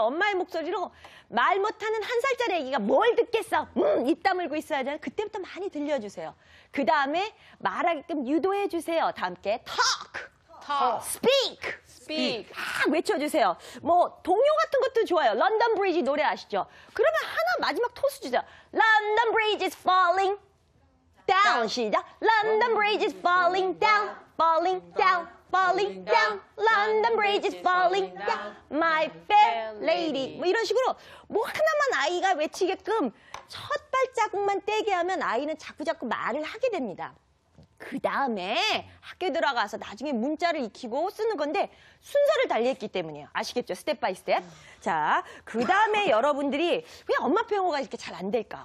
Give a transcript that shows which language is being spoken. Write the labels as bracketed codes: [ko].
[ko] 엄마의 목소리로 말 못하는 한 살짜리 아기가 뭘 듣겠어? 입 다물고 있어야 되나? 그때부터 많이 들려주세요. 그 다음에 말하게끔 유도해주세요. 다 함께 talk. [en] Talk. Speak. Speak. [ko] 막 외쳐주세요. 뭐, 동요 같은 것도 좋아요. London Bridge 노래 아시죠? 그러면 하나 마지막 토스 주자. [en] London Bridge is falling down. [ko] 시작. [en] London Bridge is falling down. Falling down. Falling down, London Bridge is falling down, my fair lady. [ko] 뭐 이런 식으로 뭐 하나만 아이가 외치게끔 첫 발자국만 떼게 하면 아이는 자꾸 말을 하게 됩니다. 그 다음에 학교 들어가서 나중에 문자를 익히고 쓰는 건데 순서를 달리했기 때문이에요. 아시겠죠? 스텝 바이 스텝. 자, 그 다음에 여러분들이 왜 엄마표 영어가 이렇게 잘 안 될까?